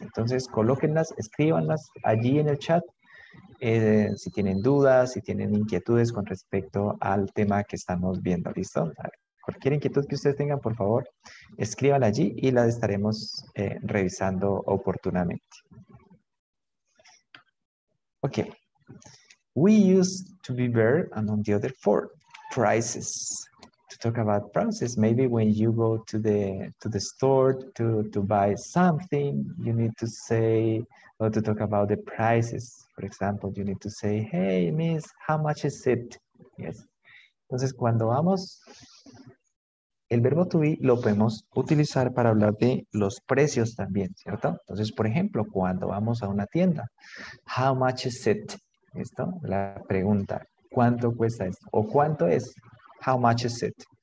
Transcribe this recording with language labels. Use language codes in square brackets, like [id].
[es] Entonces, colóquenlas, escríbanlas allí en el chat. Si tienen dudas, si tienen inquietudes con respecto al tema que estamos viendo. ¿Listo? Cualquier inquietud que ustedes tengan, por favor, escríbanla allí y la estaremos revisando oportunamente. [en] Ok. We used to be there and on the other four. Prices. To talk about prices, maybe when you go to the store to buy something, you need to say, or to talk about the prices. For example, you need to say, hey, miss, how much is it? Yes. [es] Entonces, cuando vamos... El verbo to be lo podemos utilizar para hablar de los precios también, ¿cierto? Entonces, por ejemplo, cuando vamos a una tienda, [en] how much is it? [es] ¿Listo? La pregunta, ¿cuánto cuesta esto? O ¿cuánto es? [en] How much is it?